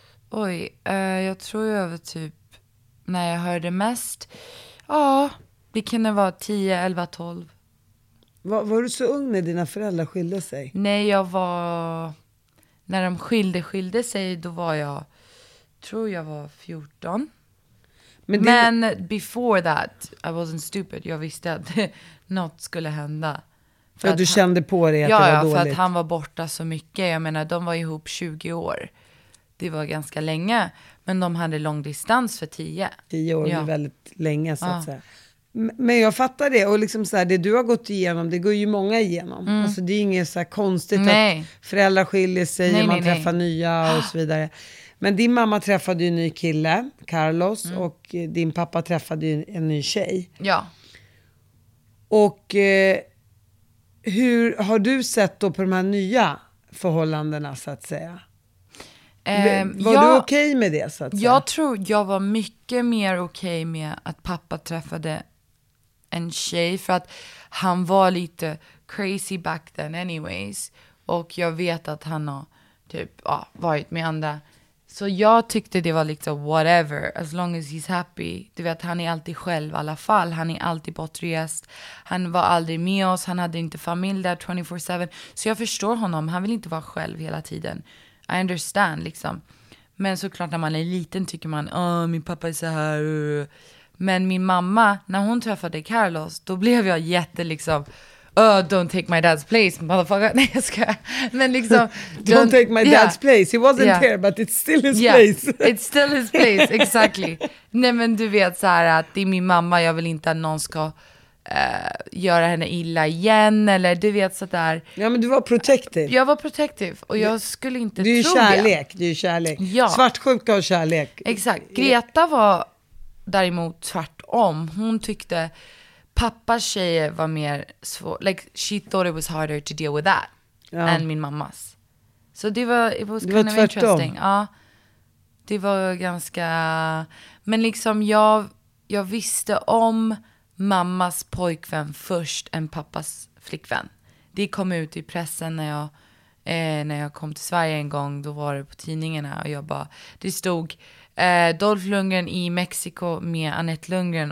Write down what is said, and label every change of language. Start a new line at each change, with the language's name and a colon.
Swedish: Oj, jag tror jag var typ, när jag hörde mest, ja, det kunde vara 10, 11, 12. Var du så ung när dina föräldrar skilde sig? Nej, jag var... När de skilde sig, då var jag... Tror jag var 14.
English: Men before that, I wasn't stupid.
Swedish: Jag visste att något skulle hända. För att du kände på det att ja, det var dåligt. Ja, för att han var borta så mycket. Jag menar, de var ihop 20 år. Det var ganska länge. Men de hade lång distans för 10. 10 år är väldigt länge, så att säga. Men jag fattar det, och liksom så här, det du har gått igenom, det går ju många igenom. Mm. Alltså det är inget så här konstigt nej. Att föräldrar skiljer sig och man träffar nya och så vidare. Men din mamma träffade ju en ny kille, Carlos, och din pappa träffade ju en ny tjej. Ja. Och hur har du sett då på de här nya förhållandena så att säga? Var du okej med det så att säga? Jag tror jag var mycket mer okej med att pappa träffade en tjej för att han var lite
English: crazy back then anyways.
Swedish: Och jag vet att han har typ varit med andra. Så jag tyckte det var liksom whatever,
English: as long as he's happy.
Swedish: Du vet, han är alltid själv i alla fall. Han är alltid bortrest. Han var aldrig med oss, han hade inte familj där 24/7. Så jag förstår honom, han vill inte vara själv hela tiden.
English: I understand
Swedish: liksom. Men såklart när man är liten tycker man, min pappa är så här. Men min mamma, när hon träffade Carlos, då blev jag jätte liksom,
English: don't take my dad's place, motherfucker.
Swedish: Nej, jag ska. Men liksom,
English: don't take my dad's place. He wasn't there, but it's still his place. It's still his place, exactly.
Swedish: Nej, men du vet så här att det är min mamma, jag vill inte att någon ska göra henne illa igen, eller du vet så där. Ja, men du var protective. Jag var protective och jag skulle inte du är tro kärlek. Det. Du är kärlek. Svartsjuka och kärlek. Exakt. Greta var däremot tvärtom. Hon tyckte pappas tjejer var mer svår.
English: Like, she thought it was harder to deal with that
Swedish: än min mammas. Så det var,
English: it was kind of interesting.
Swedish: Ja, det var ganska... Men liksom jag visste om mammas pojkvän först än pappas flickvän. Det kom ut i pressen när jag kom till Sverige en gång. Då var det på tidningarna och jag bara... Det stod Dolph Lundgren i Mexiko med Annette Lundgren.